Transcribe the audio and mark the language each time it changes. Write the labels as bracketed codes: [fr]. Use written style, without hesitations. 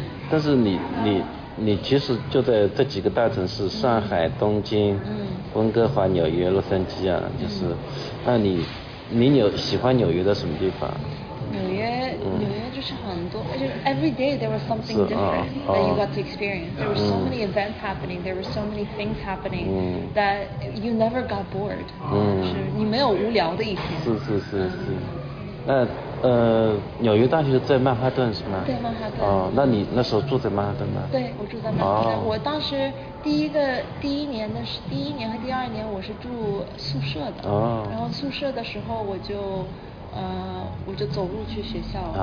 [zh] 但是你其实就在这几个大城市，上海、东京、温哥华、纽约、洛杉矶啊，就是，那你喜欢纽约的什么地方？纽约就是很多，就是 [en] every day there was something different that you got to experience. There were so many events happening, there were so many things happening that you never got bored. [zh] 是你没有无聊的一天。是。那纽约大学在曼哈顿是吗？对，曼哈顿。哦，那你那时候住在曼哈顿吗？对，我住在曼哈顿。哦、我当时第一年的是第一年和第二年我是住宿舍的。哦。然后宿舍的时候我就走路去学校了。